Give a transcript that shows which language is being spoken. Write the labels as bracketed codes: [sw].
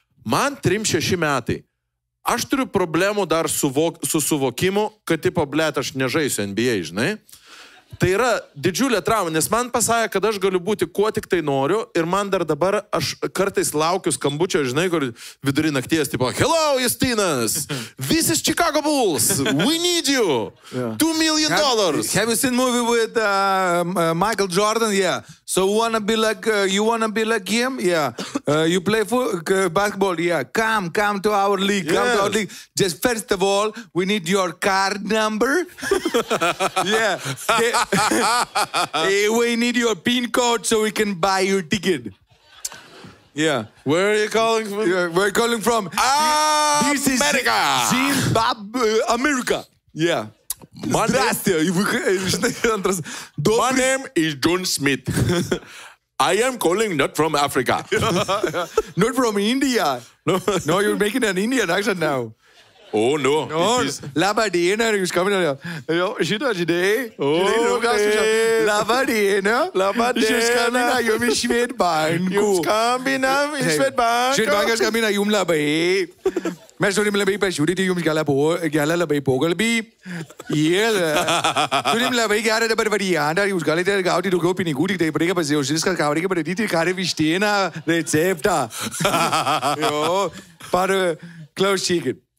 [lt] Man 3-6 metai. Aš turiu problemų dar su suvokimu, kad tipo, blėt, aš nežaisiu NBA, žinai. Tai yra didžiulė trauma, nes man pasakė, kad aš galiu būti kuo tik tai noriu, ir man dar dabar, aš kartais laukiu skambučio, žinai, kur vidurį nakties, tipo, [en] hello, Justinas, this is Chicago Bulls, we need you, $2 million. Have you seen movie with Michael Jordan? Yeah. So you wanna be like him? Yeah. You play basketball? Yeah. Come to our league. Yes. Come to our league. Just first of all, we need your card number. We need your PIN code so we can buy your ticket. Yeah. Where are you calling from? Yeah, we're calling from America. This is Zimbabwe, America. Yeah. My name is John Smith. I am calling not from Africa. Not from India. No, you're making an Indian accent now. Oh, no. No, Lava Diener is coming. [lt] Mes turim labai pasiūlyti jums gerą labai pokalbį. Turim labai gerą dabar variantą, jūs galite gauti daugiau pinigų, tik taip reikia pasiūlyti viską, ką reikia pradėti, ką reikia vištieną receptą. Jo, par klausykit.